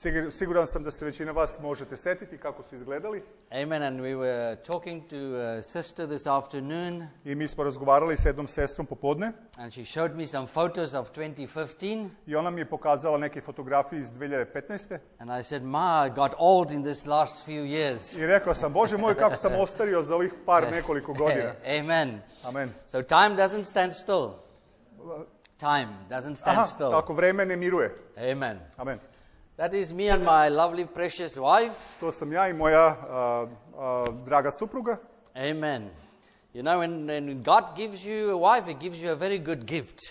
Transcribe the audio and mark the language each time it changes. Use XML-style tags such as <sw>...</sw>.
<sr>Siguran sam da se većina vas možete setiti kako su izgledali.</sr> <en>Amen, and we were talking to a sister this afternoon.</en> <sr>I mi smo razgovarali sa jednom sestrom popodne.</sr> <en>And she showed me some photos of 2015.</en> <sr>I ona mi je pokazala neke fotografije iz 2015.</sr> <en>And I said, "Ma, I got old in this last few years."</en> <sr>I rekao sam, Bože moj, kako sam ostario za ovih par nekoliko godina.</sr> <en>Amen. Amen. So time doesn't stand still. Time doesn't stand still.</en> <sr>Tako vreme ne miruje.</sr> <en>Amen. Amen. That is me and my lovely precious wife.</en> <sr>To sam ja i moja draga supruga.</sr> <en>Amen. You know, when God gives you a wife, He gives you a very good gift.</en>